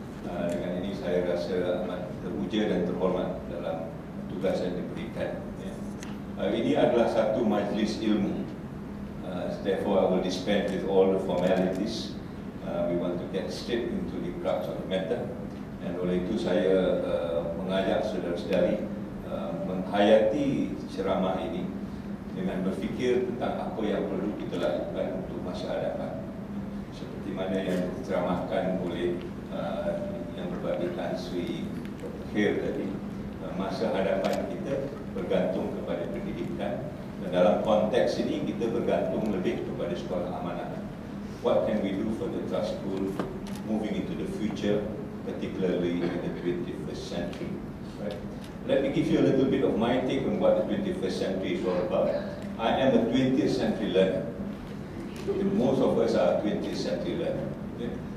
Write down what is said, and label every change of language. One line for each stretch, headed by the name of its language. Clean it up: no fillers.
Malay: Dengan ini saya rasa amat teruja dan terhormat dalam tugas yang diberikan. Ini adalah satu majlis ilmu.
English: Therefore, I will dispense with all the formalities. We want to get straight into the crux of the matter. And
Malay: oleh itu saya mengajak saudara-saudari menghayati ceramah ini dengan berfikir tentang apa yang perlu kita lakukan untuk masa hadapan. Seperti mana yang diceramahkan oleh yang berbagi Tan Sri Khair tadi, masa hadapan kita bergantung kepada pendidikan. Dan dalam konteks ini kita bergantung lebih kepada sekolah amanah.
English: What can we do for the trust school moving into the future, particularly in the 21st century? Right? Let me give you a little bit of my take on what the 21st century is all about. I am a 20th century learner. Most of us are 20th century learner. Okay?